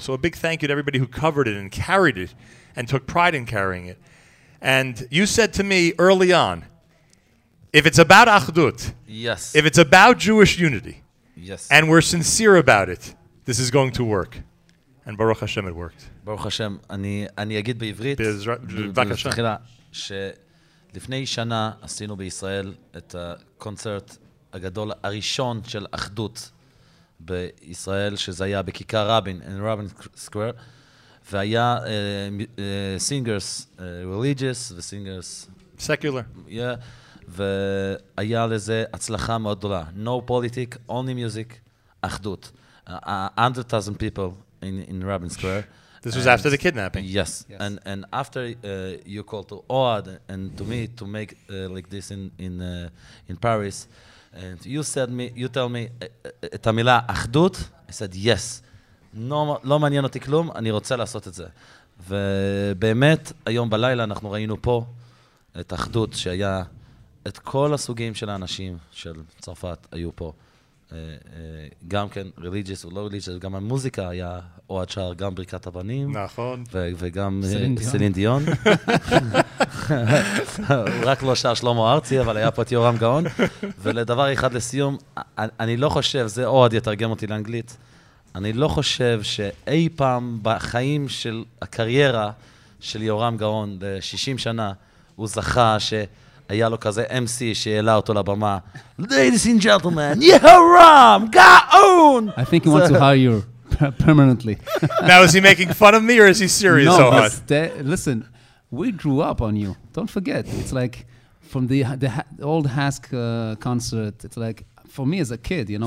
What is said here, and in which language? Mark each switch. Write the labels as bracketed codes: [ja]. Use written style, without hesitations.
[en] So a big thank you to everybody who covered it and carried it and took pride in carrying it. And you said to me early on, if it's about Achdut, if it's about Jewish unity, and we're sincere about it, this is going to work. And Baruch Hashem, it worked. [he] Baruch Hashem, אני אגיד בעברית, בבקשה, שלפני שנה עשינו בישראל את הקונצרט הגדול הראשון של אחדות בישראל, שזה היה בכיכר רבין, [en] in Rabin Square, [he] והיה [en] singers religious [he] וsingers [en] secular. Yeah, [he] והיה לזה הצלחה מאוד גדולה. [en] No politics, only music, אחדות. 100,000 people in Rabin Square. This was after the kidnapping. Yes. And after you called to Oad and to me to make like this in Paris, and you said me, you tell me [he] את המילה אחדות, [en] I said yes. [he] לא מעניין אותי כלום, אני רוצה לעשות את זה. ובאמת, היום בלילה אנחנו ראינו פה את אחדות שהיה את כל הסוגים של האנשים של צרפת היו פה. גם כן [en] religious or low religious, [he] גם המוזיקה היה אוהד שער, גם ברכת הבנים. נכון. וגם סלין דיון. רק לא שער שלמה ארצי, אבל היה פה את יורם גאון. ולדבר אחד לסיום, אני לא חושב, זה אוהד יתרגם אותי לאנגלית, אני לא חושב שאי פעם בחיים של הקריירה של יורם גאון, ב-60 שנה, הוא זכה ש... היה לו כזה MC שהעלה אותו לבמה. [en] Ladies and gentlemen, Yehoram, Gaon! I think he wants to hire you permanently. Now, is he making fun of me or is he serious? No, so listen, we grew up on you. Don't forget. It's like from the old Hask concert. It's like, for me as a kid, you know,